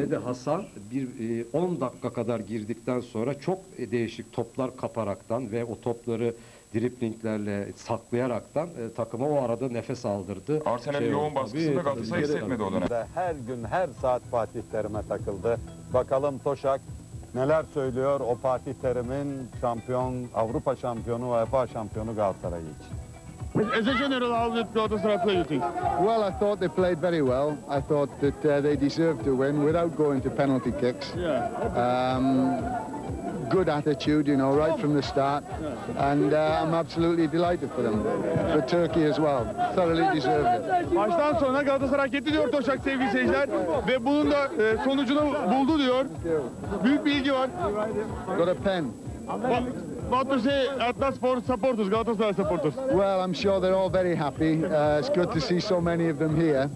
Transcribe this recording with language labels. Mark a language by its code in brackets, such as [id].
[tr] Ve de Hasan 10 dakika kadar girdikten sonra çok değişik toplar kaparaktan ve o topları driplinglerle saklayaraktan takıma o arada nefes aldırdı. Arsenal yoğun baskısında Galatasaray hissetmedi o dönemde. Her gün her saat Fatih Terim'e takıldı. Bakalım Toşak neler söylüyor o Fatih Terim'in şampiyon, Avrupa şampiyonu, UEFA şampiyonu Galatasaray için. [en] As a general, how did Galatasaray play, you think? Well, I thought they played very well. I thought that they deserved to win without going to penalty kicks. Yeah. Good attitude, you know, right from the start. Yeah. And I'm absolutely delighted for them. For Turkey as well. Thoroughly deserved it. [tr] Maçtan sonra Galatasaray hareketli diyor Toşak sevgili seyirciler. Ve bunun da sonucunu buldu diyor. Büyük bir ilgi var. [en] Got a pen. What do you say at the sports supporters, Galatasaray supporters? Well, I'm sure they're all very happy. It's good to see so many of them here.